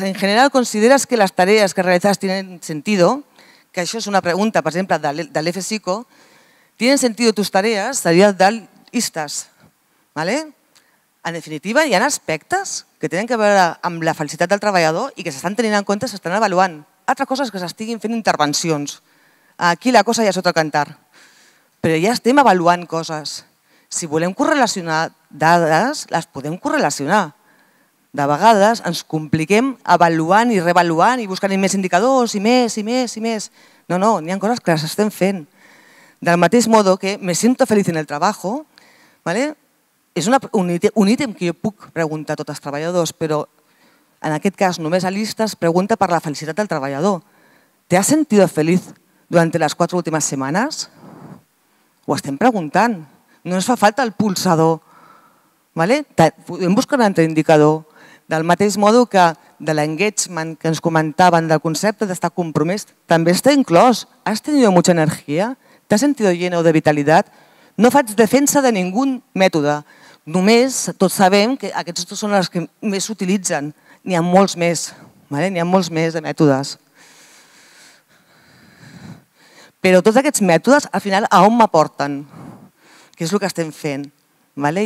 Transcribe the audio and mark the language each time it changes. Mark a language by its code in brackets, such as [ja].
[es] En general, ¿consideras que las tareas que realizas tienen sentido? [ca] Que això és una pregunta, per exemple, de l'Efe Psico. [es] ¿Tienen sentido tus tareas? [ca] Seria d'altistes, ¿vale? En definitiva, hi ha aspectes que tenen que veure amb la felicitat del treballador i que s'estan tenint en compte, s'estan avaluant. Altra cosa és que s'estiguin fent intervencions. Aquí la cosa ja és [es] otro cantar. [ca] Però ja estem avaluant coses. Si volem correlacionar dades, les podem correlacionar. De vegades ens compliquem avaluant i revaluant i buscant més indicadors i més, i més, i més. No, no, n'hi ha coses que les estem fent. Del mateix [es] modo que me siento feliz en el trabajo, ¿vale? [ca] És un ítem que jo puc preguntar a tots els treballadors, però en aquest cas només a listes pregunta per la felicitat del treballador. [es] ¿Te has sentido feliz durante las 4 últimas semanas? [ca] Ho estem preguntant. No ens fa falta el pulsador. ¿Vale? Podem buscar un altre indicador. Del mateix modo que de l'engagement que ens comentaven, del concepte d'estar compromès, també està inclòs. [es] Has tenido mucha energía? T'has sentido lleno de vitalidad? [ca] No faig defensa de ningú mètode. Només tots sabem que aquests dos són els que més s'utilitzen. N'hi ha molts més. ¿Vale? N'hi ha molts més de mètodes. Però tots aquests mètodes, al final, a on m'aporten? Que és el que estem fent. ¿Vale?